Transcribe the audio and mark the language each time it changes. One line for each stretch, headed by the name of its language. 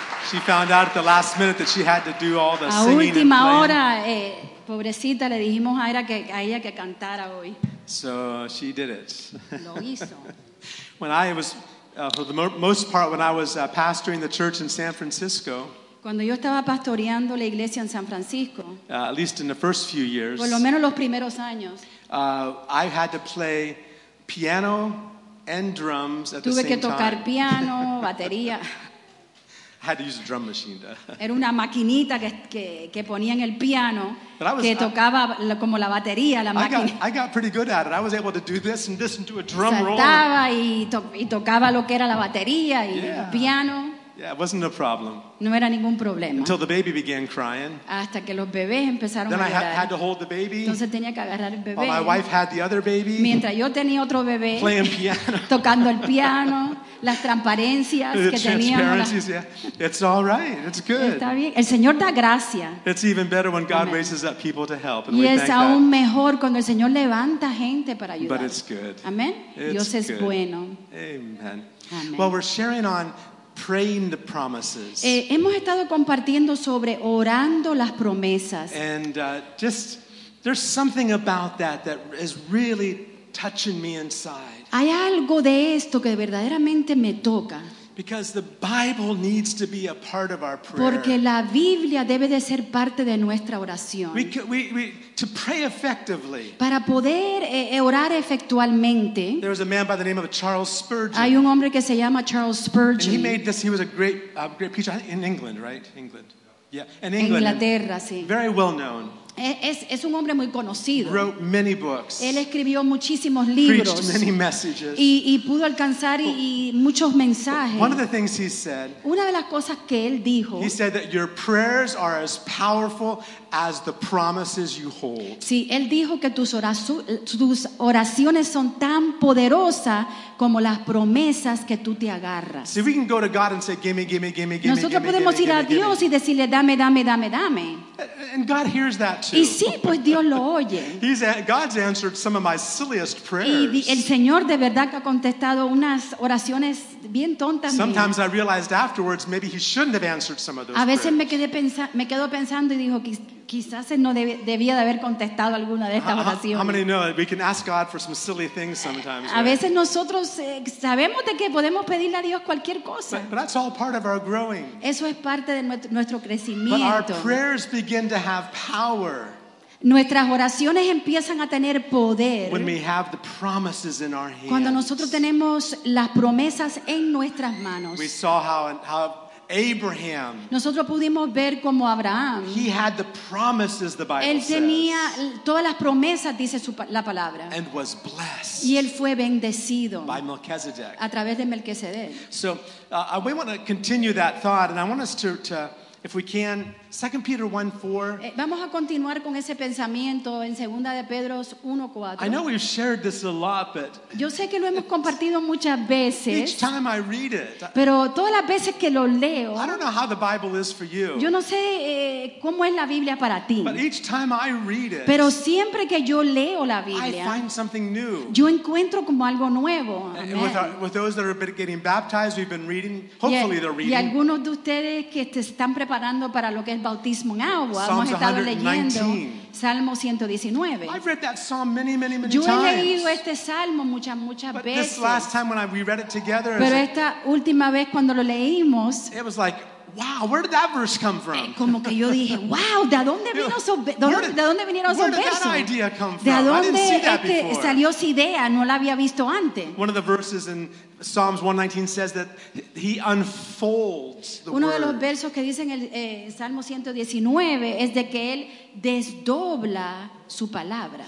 English: She found out at the last minute that she had to do all the singing.
Spanish: A última hora, pobrecita, le dijimos a ella que cantara hoy.
English: So she did it.
Spanish: Lo hizo.
English: When I was, for the most part, when I was pastoring the church in San Francisco.
Spanish: Cuando yo estaba pastoreando la iglesia en San Francisco.
English: At least in the first few years.
Spanish: Por lo menos los primeros años.
English: I had to play piano and drums at the same time.
Spanish: Tuve que tocar piano, batería.
English: I had to use a drum machine. To...
Spanish: Era una maquinita que ponía en el piano que tocaba como la batería, la máquina.
English: I got pretty good at it. I was able to do this and this and do a drum roll.
Spanish: Saltaba y tocaba lo que era la batería y el piano.
English: Yeah, it wasn't a problem.
Spanish: No era ningún problema.
English: Until the baby began crying.
Spanish: Hasta que los bebés empezaron
English: then
Spanish: a llorar.
English: Then I had to hold the baby.
Spanish: Entonces tenía que agarrar el bebé.
English: While my wife had the other baby.
Spanish: Mientras yo tenía otro bebé.
English: Playing piano.
Spanish: Tocando el piano. Las transparencias que teníamos.
English: Transparencias, yeah. It's all right. It's good.
Spanish: Está bien. El Señor da gracia.
English: It's even better when God raises up people to help.
Spanish: Y es aún mejor cuando el Señor levanta gente para ayudar.
English: But it's good.
Spanish: Amen. Dios es bueno.
English: Amen. Well, we're sharing on praying the promises.
Spanish: Hemos estado compartiendo sobre orando las promesas.
English: And just there's something about that is really touching me inside.
Spanish: Hay algo de esto que verdaderamente me toca.
English: Because the Bible needs to be a part of our prayer.
Spanish: Porque la Biblia debe de ser parte de nuestra oración.
English: We to pray effectively.
Spanish: Para poder orar efectualmente.
English: There was a man by the name of Charles Spurgeon.
Spanish: Hay un hombre que se llama Charles Spurgeon.
English: And he made this. He was a great preacher in England, right? England, yeah, in England.
Spanish: Inglaterra, sí.
English: Very well known.
Spanish: Es un hombre muy conocido.
English: Wrote many books,
Spanish: él escribió muchísimos libros.
English: Preached many messages.
Spanish: Y pudo alcanzar y muchos mensajes.
English: One of the things he said,
Spanish: una de las cosas que él dijo.
English: He said that your prayers are as powerful as the promises you hold.
Spanish: Sí, él dijo que tus oraciones son tan poderosas como las promesas que tú te agarras.
English: See, we can go to God and say, gimme, gimme, gimme, gimme.
Spanish: Nosotros podemos ir a Dios y decirle, dame, dame, dame, dame.
English: And God hears that too.
Spanish: Y sí, pues Dios lo oye.
English: God's answered some of my silliest prayers.
Spanish: Y el Señor de verdad que ha contestado unas oraciones bien tontas.
English: Sometimes I realized afterwards maybe he shouldn't have answered some of those.
Spanish: A veces
English: prayers.
Spanish: me quedo pensando y dijo quizás no debía de haber contestado alguna de estas oraciones.
English: How many know that we can ask God for some silly things sometimes?
Spanish: A veces nosotros sabemos de que podemos pedirle a Dios cualquier cosa.
English: But that's all part of our growing.
Spanish: Eso es parte de nuestro crecimiento.
English: But our prayers begin to have power.
Spanish: Nuestras oraciones empiezan a tener poder.
English: When we have the promises in our hands.
Spanish: Cuando nosotros tenemos las promesas en nuestras manos.
English: We saw how Abraham.
Spanish: Nosotros pudimos ver como Abraham.
English: He had the promises, the Bible says.
Spanish: Él tenía todas las promesas, dice la palabra.
English: And was blessed.
Spanish: Y él fue bendecido.
English: By Melchizedek.
Spanish: A través de Melchizedek.
English: So we want to continue that thought, and I want us to if we can, 2 Peter 1:4.
Spanish: Vamos a continuar con ese pensamiento en 2 de Pedro 1:4.
English: I know we've shared this a lot, but
Spanish: yo sé que lo hemos compartido muchas veces.
English: Each time I read it.
Spanish: Pero todas las veces que lo leo.
English: I don't know how the Bible is for you.
Spanish: Yo no sé cómo es la Biblia para ti.
English: But each time I read it.
Spanish: Pero siempre que yo leo la Biblia.
English: I find something new.
Spanish: Yo encuentro como algo nuevo.
English: With those that are getting baptized, we've been reading. Hopefully they're reading.
Spanish: Y algunos de ustedes que te están preparando para lo que es bautismo en agua. Hemos estado leyendo Salmo 119.
English: I've read that psalm many times.
Spanish: Yo he leído este salmo muchas veces.
English: But this last time when we read it together,
Spanish: pero esta última vez cuando lo leímos,
English: it was like, wow, where did that verse come from?
Spanish: Como que yo dije, wow, ¿de dónde vino eso? ¿De dónde vinieron esos versos?
English: Where did that idea come from?
Spanish: ¿De dónde salió esa idea? No la había visto antes.
English: One of the verses in Psalms 119 says that he unfolds the word.
Spanish: Uno de los versos que dice en el Salmo 119 es de que él desdobla su palabra.